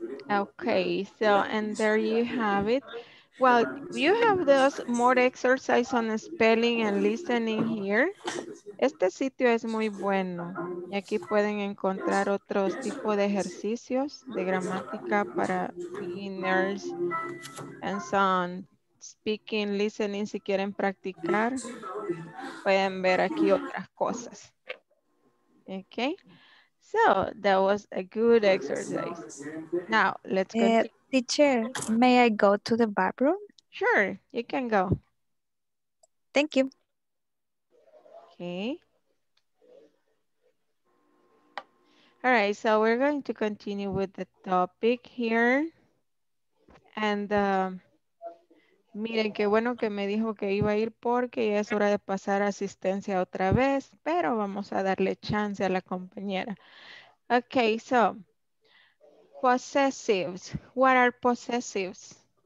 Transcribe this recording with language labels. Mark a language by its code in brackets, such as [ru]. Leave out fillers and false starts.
[en] Okay, so, and there you have it. Well, you have those more exercises on spelling and listening here. [es] Este sitio es muy bueno. Y aquí pueden encontrar otros tipos de ejercicios de gramática para [en] beginners and so on. [es] Speaking, listening, si quieren practicar, pueden ver aquí otras cosas. [en] Okay. So, that was a good exercise. Now, let's continue. Teacher, may I go to the bathroom? Sure, you can go. Thank you. Okay. All right, so we're going to continue with the topic here. [es] And miren, qué bueno que me dijo que iba a ir porque ya es hora de pasar asistencia otra vez, pero vamos a darle chance a la compañera. [en] Okay, so... possessives. What are possessives?